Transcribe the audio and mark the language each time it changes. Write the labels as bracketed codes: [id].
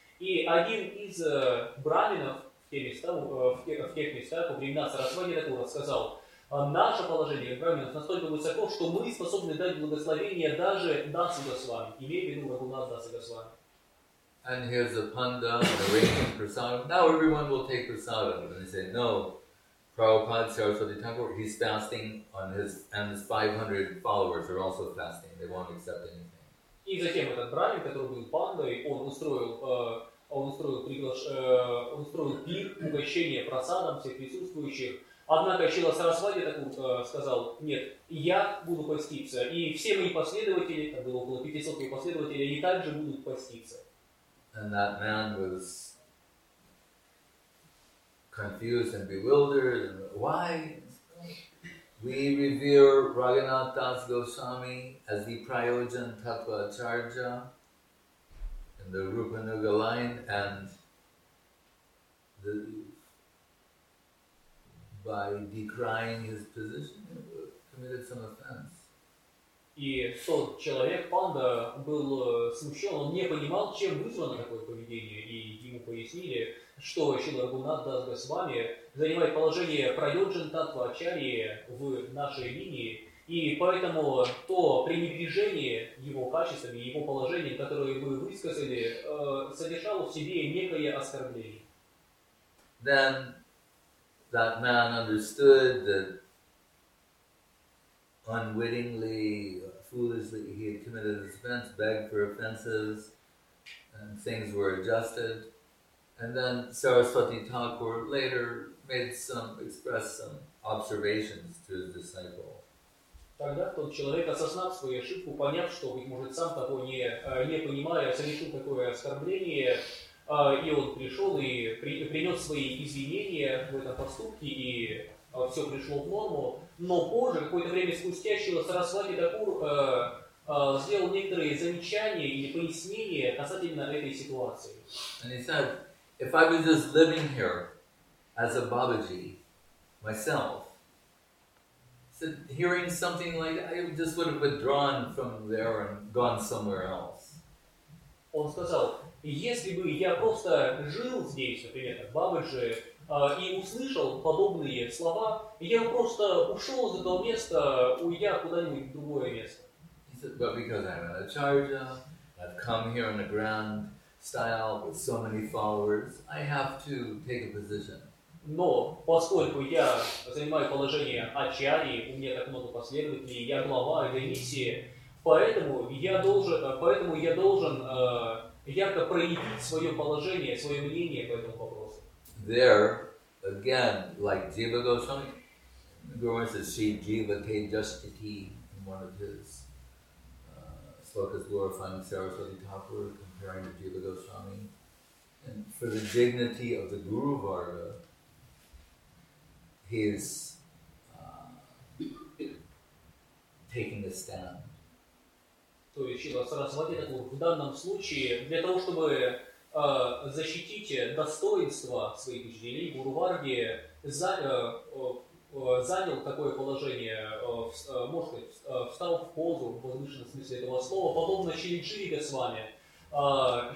[ru] И один из браминов в те места, в тех местах, во времена Сарасвати Такура, сказал: «Наше положение браминов настолько высоко, что мы способны дать благословение даже Даса Госвами», имея в виду Рагунатдаса Госвами. [en] And here's a panda arranging prasadam. Now everyone will take prasadam. And they say, no, Prabhupada Saraswati Thakur, he's fasting, on his, and his 500 followers are also fasting. They won't accept anything. [ru] И затем этот брамин, который был пандой, он устроил пир, угощение прасадам всех присутствующих. Однако Шрила Сарасвати Такур сказал: нет, я буду поститься. И все мои последователи, там было около 500 моих последователей, они также будут поститься. [en] And that man was confused and bewildered. And why? We revere Raghunath Das Goswami as the Prayojan Tattva Acharya in the Rupanuga line, and the, by decrying his position, committed some offense. [ru] И тот человек, панда, был смущен, он не понимал, чем вызвано такое поведение. И ему пояснили, что Шрила Рагунатдас Госвами занимает положение Прайоджан Таттва Ачарьи в нашей линии. И поэтому то пренебрежение его качествами, его положением, которое вы высказали, содержало в себе некое оскорбление. [en] Then that man understood that unwittingly, foolishly, he had committed his offense, begged for offenses, and things were adjusted. And then Saraswati Thakur later made some, expressed some observations to his disciple. [ru] Тогда тот человек, осознав свою ошибку, поняв, что, быть может, сам того не понимая, совершил такое оскорбление, и он пришел и принес свои извинения в этом поступке, и все пришло в норму. Но позже, какое-то время спустя, Шрила Сарасвати Такур сделал некоторые замечания или пояснения касательно этой ситуации. [en] And he said, if I was just living here as a Бабаджи myself, said, hearing something like that, I just would have withdrawn from there and gone somewhere else. [ru] Он сказал, если бы я просто жил здесь, например, как Бабаджи, и услышал подобные слова, я просто ушел из этого места, уйдя куда-нибудь в другое место. [en] He said, but because I'm an acharya, I've come here in a grand style with so many followers, I have to take a position. [ru] Но поскольку я занимаю положение ачарьи, у меня так много последователей, я глава гонисии, поэтому я должен ярко проявить свое положение, свое мнение по этому вопросу. [en] There, again, like Jiva Goswami, Guru Maharaj says, Sri Jiva Tejasthiti, in one of his slokas glorifying Saraswati Thakur, comparing to Jiva Goswami. And for the dignity of the Guru Varga, he is taking a stand. [ru] То есть Шрила Сарасвати Такур в данном случае, для того, чтобы защитите достоинство своих учителей, Гуру Варги занял такое положение, может быть, встал в позу, в возвышенном смысле этого слова, подобно Шрила Шрила Госвами.